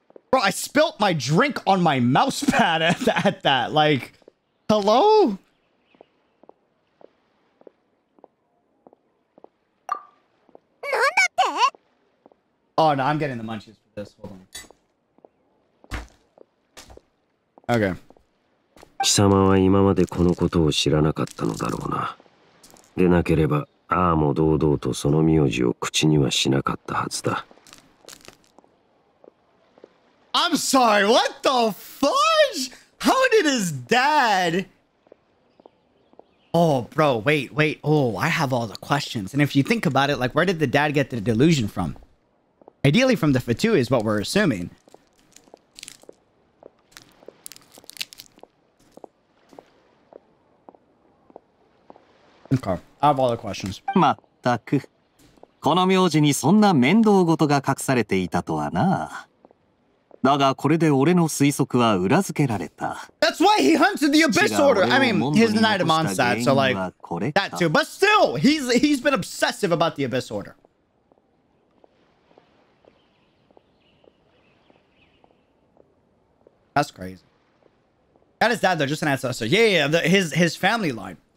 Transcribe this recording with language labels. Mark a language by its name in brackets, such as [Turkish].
[English] Bro, I spilt my drink on my mouse pad at that. Like, hello? [Japanese] なんだって? [English] Oh no, I'm getting the munchies for this. Hold on. Okay. [Japanese] 貴様は今までこのことを知らなかったのだろうな。でなければ。ああも堂々とその名字を口にはしなかったはずだ。 [English] I'm sorry, what the fudge? How did his dad? Oh, bro, wait. Oh, I have all the questions. And if you think about it, like, where did the dad get the delusion from? Ideally, from the Fatui is what we're assuming. Okay. I have all the questions. [Japanese] まったく。この名字にそんな面倒事が隠されていたとはな。だがこれで俺の推測は裏付けられた。 [English] That's why he hunted the Abyss Order! I mean, he's the Night of Mondstadt, so like, that too. But still, he's been obsessive about the Abyss Order. That's crazy. That is that though, just an ancestor. His family line.